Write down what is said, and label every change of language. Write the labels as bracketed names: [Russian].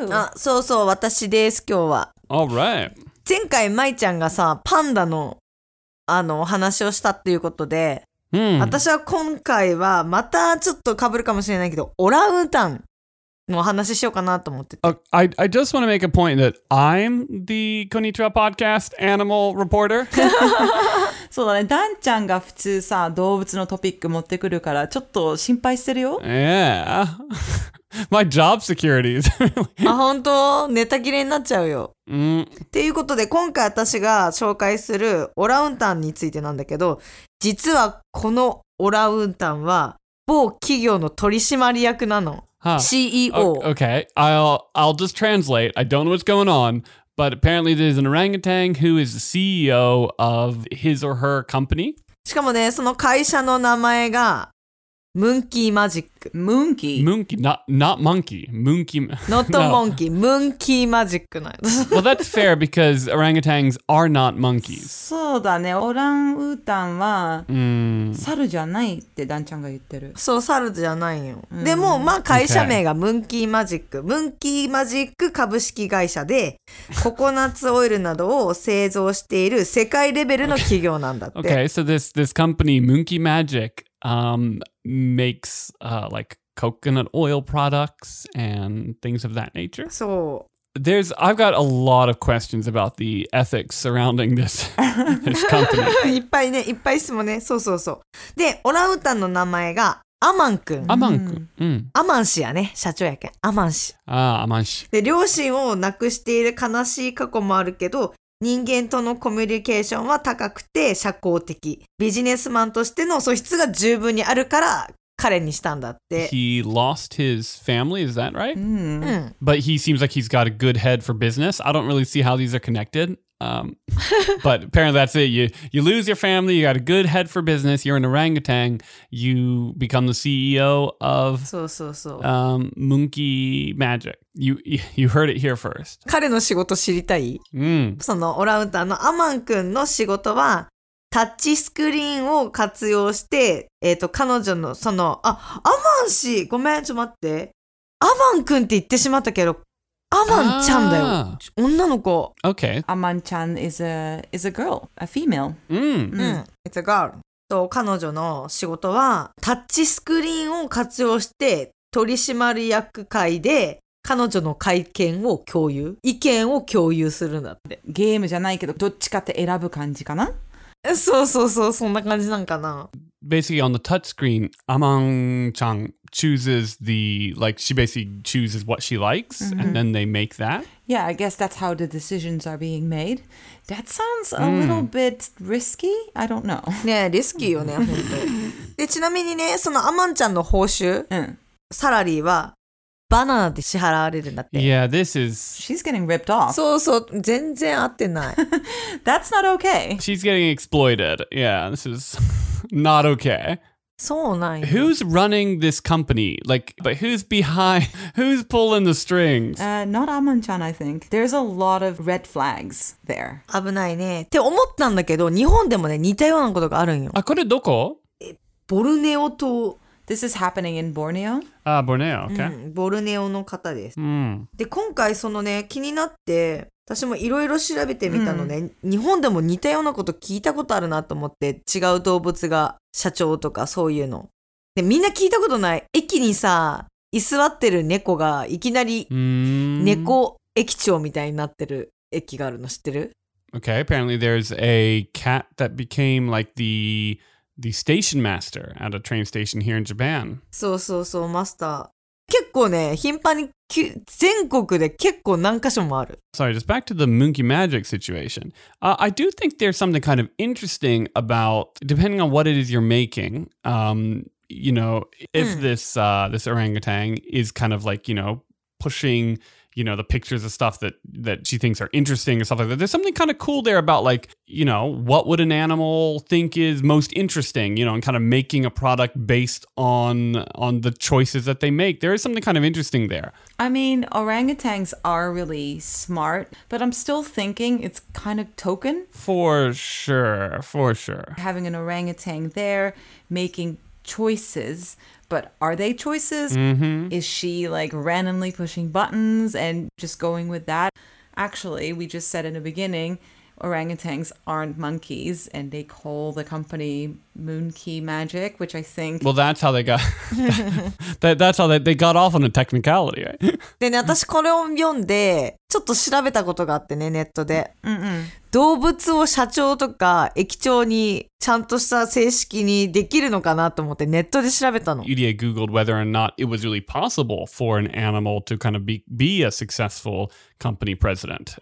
[Japanese] あ、そうそう、私です、今日は。 [English] All right. [Japanese] 前回、舞ちゃんがさ、パンダの、お話をしたっていうことで、私は今回は、またちょっと被るかもしれないけど、オランウータンのお話ししようかなと思ってて。 [English] I just want to make a point that I'm the Konnichiwa Podcast animal reporter. [Japanese] そうだね、ダンちゃんが普通さ、動物のトピック持ってくるから、ちょっと心配してるよ。 [English] Yeah. My job security is really... [Japanese] あ、本当？ネタ切れになっちゃうよ。っていうことで、今回私が紹介するオランウータンについてなんだけど、実はこのオランウータンは某企業の取締役なの。 [English] CEO。 Okay, I'll just translate. I don't know what's going on, but apparently there's an orangutan who is the CEO of his or her company. [Japanese] しかもね、その会社の名前が [English] Monkey magic. Monkey? Monkey. Not monkey. Monkey. Not a monkey. Monkey magic. Well, that's fair because orangutans are not monkeys. [Japanese] そうだね。オランウータンは猿じゃないってダンちゃんが言ってる。そう、猿じゃないよ。でも、まあ会社名がモンキーマジック。モンキーマジック株式会社で、ココナッツオイルなどを製造している世界レベルの企業なんだって。 [English] Okay, so this company, Monkey Magic,makes like coconut oil products and things of that nature. So there's, I've got a lot of questions about the ethics surrounding this, this company. [Japanese] いっぱいね、いっぱい質問ね。そうそうそう。で、オランウータンの名前がアマン君。アマン君。うん。アマン氏やね、社長やけん。アマン氏。ああ、アマン氏。で、両親を亡くしている悲しい過去もあるけど、人間とのコミュニケーションは高くて社交的。ビジネスマンとしての素質が十分にあるから彼にしたんだって。 [English] He lost his family, is that right? [Japanese] うん。 [English] But he seems like he's got a good head for business. I don't really see how these are connected. but apparently that's it. You lose your family, you got a good head for business, you're an orangutan, you become the CEO of Monkey Magic. You heard it here first. [Japanese] 彼の仕事知りたい？そのオランウータンのアマン君の仕事はタッチスクリーンを活用して、彼女のそのあアマン氏ごめんちょ待ってアマン君って言ってしまったけどアマンちゃんだよ。女の子。 [English] Okay. アマンちゃん is a girl, a female. It's a girl. [Japanese] と彼女の仕事はタッチスクリーンを活用して取締役会で彼女の会見を共有、意見を共有するんだって。ゲームじゃないけどどっちかって選ぶ感じかな？そうそうそう、そんな感じなんかな。 [English] Basically, on the touch screen, Aman chan chooses the, like, she basically chooses what she likes,、mm-hmm. and then they make that. Yeah, I guess that's how the decisions are being made. That sounds a、mm. little bit risky. I don't know. [Japanese] ね、リスキーよね、本当に。で、ちなみにね、その Aman ちゃんの報酬、サラリーはバナナで支払われるんだって。 [English] Yeah, this is... She's getting ripped off. [Japanese] そうそう、全然合ってない。 [English] That's not okay. She's getting exploited. Yeah, this is not okay. [Japanese] そうなんや。 [English] Who's running this company? Like, but who's behind? Who's pulling the strings? Not Aman-chan, I think. There's a lot of red flags there. [Japanese] 危ないね。って思ったんだけど、日本でもね、似たようなことがあるんよ。あ、これどこ？ボルネオ島。 [English] This is happening in Borneo. Ah, Borneo, okay.、 [Japanese] ボルネオの方です。 Mm. で、今回そのね、気になって、私もいろいろ調べてみたのね、mm. 日本でも似たようなこと聞いたことあるなと思って、違う動物が社長とかそういうの。で、みんな聞いたことない。駅にさ、居座ってる猫がいきなり猫駅長みたいになってる駅があるの知ってる？ [English] Okay, apparently there's a cat that became like the station master at a train station here in Japan. [Japanese] そうそうそう、マスター。結構ね、頻繁に全国で結構何箇所もある。 [English] Sorry, just back to the Monkey Magic situation. I do think there's something kind of interesting about, depending on what it is you're making, you know, if this orangutan is kind of like, you know, pushing, you know, the pictures of stuff that she thinks are interesting and stuff like that. There's something kind of cool there about, like, you know, what would an animal think is most interesting, you know, and kind of making a product based on the choices that they make. There is something kind of interesting there. I mean, orangutans are really smart, but I'm still thinking it's kind of token. For sure, for sure. Having an orangutan there, making choices... But are they choices? Mm-hmm. Is she like randomly pushing buttons and just going with that? Actually, we just said in the beginning, orangutans aren't monkeys and they call the company Monkey Magic, which I think... Well, that's how they got... that's how they got off on a technicality, right? [Japanese] でね、私これを読んでちょっと調べたことがあってね、ネットで。 Mm-hmm. 動物を社長とか駅長にちゃんとした正式にできるのかなと思ってネットで調べたの。 [English] UDA googled whether or not it was really possible for an animal to kind of be a successful company president.